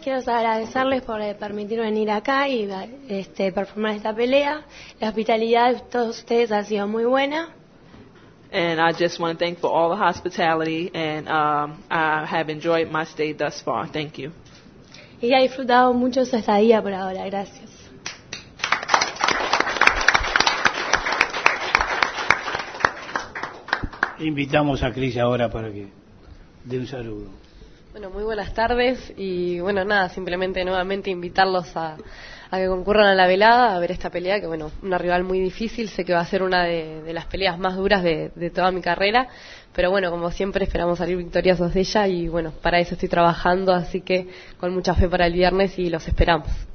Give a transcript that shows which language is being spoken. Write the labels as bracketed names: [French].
[Spanish] Quiero agradecerles por permitirme venir acá y performar esta pelea. La hospitalidad de todos ustedes ha sido muy buena. [English] And I just want to thank for all the hospitality, and I have enjoyed my stay thus far. Thank you. [Spanish] Y he disfrutado mucho su estadía por ahora. Gracias. Invitamos a Cris ahora para que dé un saludo. Bueno, muy buenas tardes y bueno, nada, simplemente nuevamente invitarlos a que concurran a la velada, a ver esta pelea, que bueno, una rival muy difícil, sé que va a ser una de las peleas más duras de toda mi carrera, pero bueno, como siempre esperamos salir victoriosos de ella y bueno, para eso estoy trabajando, así que con mucha fe para el viernes y los esperamos.